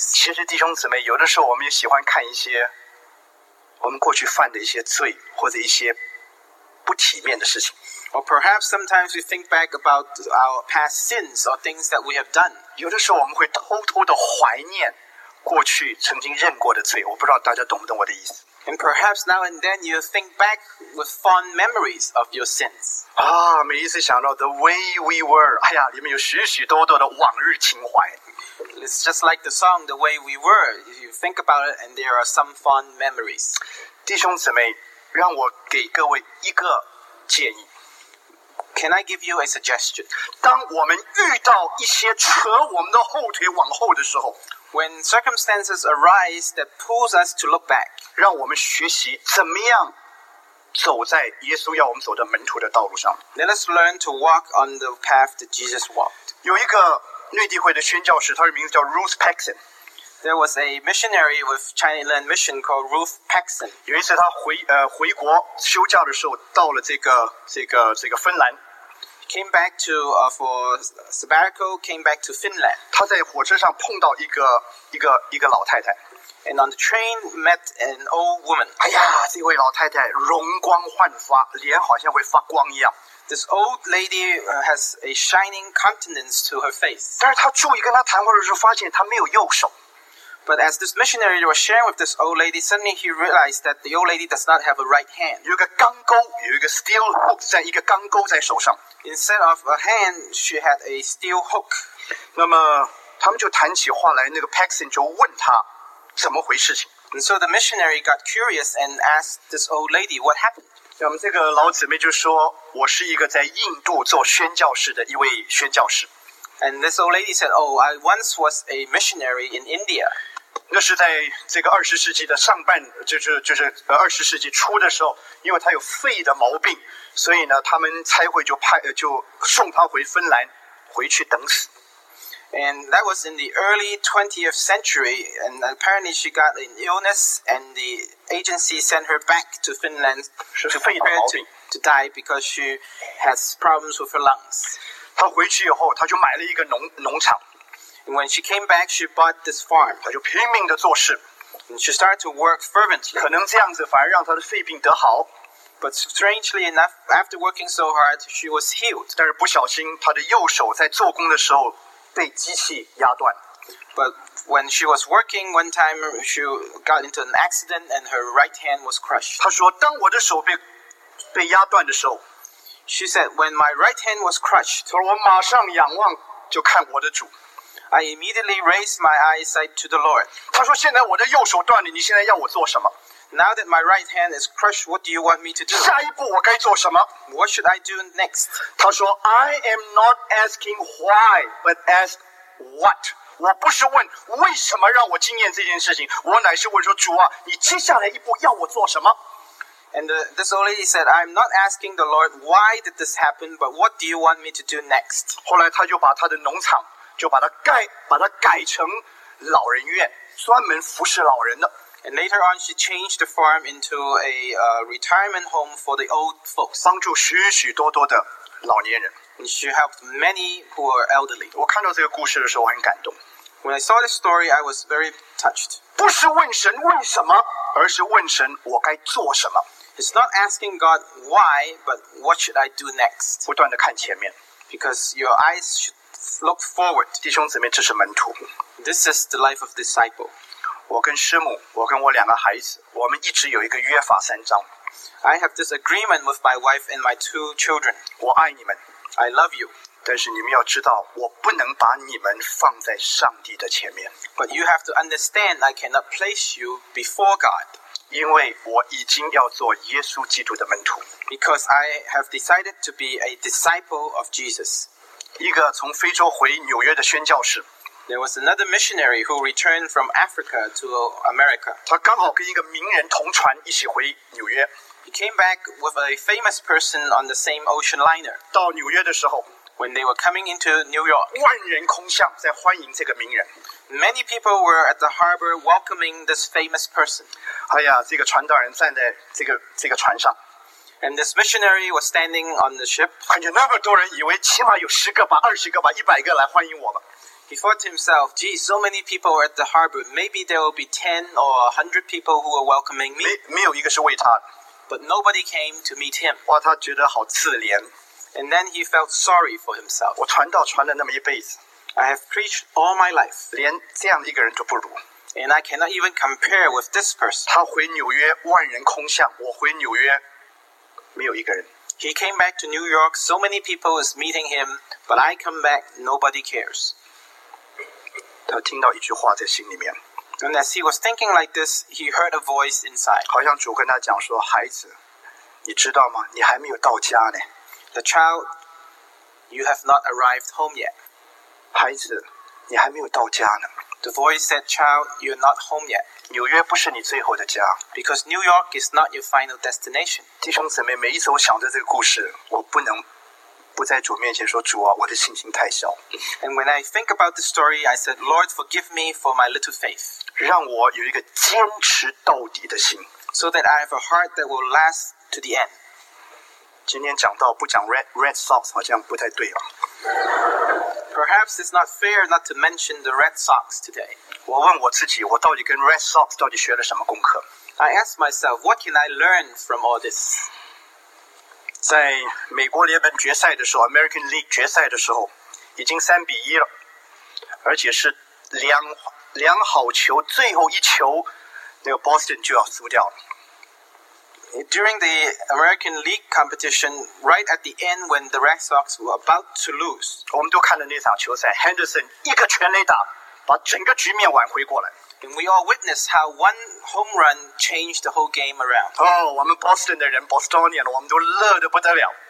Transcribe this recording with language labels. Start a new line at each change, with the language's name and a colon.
Chinese: 其实弟兄姊妹，有的时候我们也喜欢看一些我们过去犯的一些罪或者一些不体面的事情。
English: Or perhaps sometimes we think back about our past sins or things that we have done.
Chinese: 有的时候我们会偷偷地怀念过去曾经认过的罪，我不知道大家懂不懂我的意思。
English: And perhaps now and then you think back with fond memories of your sins.
Chinese: 啊，每一次想到
English: the way we were,
Chinese: 哎呀，里面有许许多多的往日情怀。
English: It's just like the song, The Way We Were. You think about it and there are some fond memories.
Chinese: 弟兄姊妹，让我给各位一个建议。
English: Can I give you a suggestion?
Chinese: 当我们遇到一些扯我们的后腿往后的时候，
English: When circumstances arise that pulls us to look back,
Chinese: 让我们学习怎么样走在耶稣要我们走的门徒的道路上。
English: Let us learn to walk on the path that Jesus walked.
Chinese: 有一个内地会的宣教士，他的名字叫 Ruth Paxson。
English: There was a missionary with China Inland Mission called Ruth Paxson.
Chinese: 有一次他回国休假的时候，到了这个芬兰。
English: Came back to for sabbatical. Came back to Finland.
Chinese: 他在火车上碰到一个老太太。
English: And on the train met an old woman.
Chinese: 哎呀，这位老太太容光焕发，脸好像会发光一样。
English: This old lady has a shining countenance to her face.
Chinese: 但是她注意跟她谈话的时候，发现她没有右手。
English: But as this missionary was sharing with this old lady, suddenly he realized that the old lady does not have a right hand.
Chinese: 有一个钢钩，有一个
English: steel hook，
Chinese: 在一个钢钩在手上。
English: Instead of a hand, she had a steel hook.
Chinese: 那么他们就谈起话来，那个 Paxson 就问她怎么回事情。
English: And so the missionary got curious and asked this old lady what happened.
Chinese: 我们这个老姊妹就说，我是一个在印度做宣教士的一位宣教士。
English: And this old lady said, "Oh, I once was a missionary in India."
Chinese: 那是在这个二十世纪的上半，就是二十世纪初的时候，因为她有肺的毛病，所以呢，他们差会就送她回芬兰，回去等死。
English: And that was in the early 20th century, and apparently she got an illness, and the agency sent her back to Finland to prepare to die because she has problems with her lungs.
Chinese: 她回去以后，她就买了一个农场。
English: And when she came back, she bought this farm.
Chinese: 她就拼命地做事。
English: And she started to work fervently.
Chinese: 可能这样子反而让她的肺病得好。
English: But strangely enough, after working so hard, she was healed.
Chinese: 但是不小心，她的右手在做工的时候被机器压断。
English: But when she was working one time, she got into an accident and her right hand was crushed.
Chinese: 她说，当我的手被压断的时候，
English: She said, when my right hand was crushed,
Chinese: 她说，我马上仰望就看我的主。
English: I immediately raised my eyesight to the Lord.
Chinese: 她说，现在我的右手断了，你现在要我做什么？
English: Now that my right hand is crushed, what do you want me to do?
Chinese: 下一步我该做什么？
English: What should I do next?
Chinese: 他说
English: I am not asking why, but ask what.
Chinese: 我不是问为什么让我经验这件事情，我乃是问说主啊，你接下来一步要我做什么？
English: And this old lady said, I'm not asking the Lord why did this happen, but what do you want me to do next?
Chinese: 后来他就把他的农场就把它改成老人院，专门服侍老人的。
English: And later on, she changed the farm into a retirement home for the old folks.
Chinese: 帮助许许多多的老年人。
English: And she helped many who are elderly.
Chinese: 我看到这个故事的时候，我很感动。
English: When I saw this story, I was very touched.
Chinese: 不是问神为什么，而是问神我该做什么。
English: It's not asking God why, but what should I do next?
Chinese: 不断地看前面。
English: Because your eyes should look forward.
Chinese: 弟兄姊妹，这是门徒。
English: This is the life of disciple.
Chinese: 我跟师母，我跟我两个孩子，我们一直有一个约法三章。
English: I have this agreement with my wife and my two children.
Chinese: 我爱你们
English: ，I love you.
Chinese: 但是你们要知道，我不能把你们放在上帝的前面。
English: But you have to understand, I cannot place you before God.
Chinese: 因为我已经要做耶稣基督的门徒。
English: Because I have decided to be a disciple of Jesus.
Chinese: 一个从非洲回纽约的宣教士。
English: There was another missionary who returned from Africa to America.
Chinese: 他刚好跟一个名人同船一起回纽约。
English: He came back with a famous person on the same ocean liner.
Chinese: 到纽约的时候。
English: When they were coming into New York.
Chinese: 万人空巷在欢迎这个名人。
English: Many people were at the harbor welcoming this famous person.
Chinese: 哎呀，这个传道人站在这个船上。
English: And this missionary was standing on the ship.
Chinese: 哎呀，那么多人以为起码有十个吧，二十个吧，一百个来欢迎我吧。
English: He thought to himself, gee, so many people are at the harbor. Maybe there will be 10 or 100 people who are welcoming me.
Chinese: 没有一个是为他的。
English: But nobody came to meet him.
Chinese: 哇，他觉得好自怜。
English: And then he felt sorry for himself.
Chinese: 我传道传了那么一辈子。
English: I have preached all my life.
Chinese: 连这样一个人都不如。
English: And I cannot even compare with this person.
Chinese: 他回纽约万人空巷，我回纽约没有一个人。
English: He came back to New York, so many people is meeting him, but I come back, nobody cares.
Chinese: 他听到一句话在心里面。
English: And as he was thinking like this, he heard a voice inside.
Chinese: 好像主跟他讲说，孩子，你知道吗？你还没有到家呢。
English: The child, you have not arrived home yet.
Chinese: 孩子，你还没有到家呢。
English: The voice said, child, you're not home yet.
Chinese: 纽约不是你最后的家。
English: Because New York is not your final destination.
Chinese: 弟兄姊妹，每一次我想着这个故事，我不能不在主面前说，主啊，我的信心太小。
English: And when I think about the story, I said, Lord, forgive me for my little faith.
Chinese: 让我有一个坚持到底的心。
English: So that I have a heart that will last to the end.
Chinese: 今天讲到不讲 Red Sox 好像不太对啊。
English: Perhaps it's not fair not to mention the Red Sox today.
Chinese: 我问我自己，我到底跟 Red Sox 到底学了什么功课？
English: I ask myself, what can I learn from all this?
Chinese: 在美国联盟决赛的时候 ，American League 决赛的时候，已经3-1了，而且是两好球，最后一球，那个 Boston 就要输掉了。
English: During the American League competition, right at the end when the Red Sox were about to lose,
Chinese: 我们都看了那场球赛 ，Henderson 一个全垒打把整个局面挽回过来。
English: And we all witnessed how one home run changed the whole game around.
Chinese: 哦，我们 Boston 的人 ，Bostonian， 我们都乐得不得了。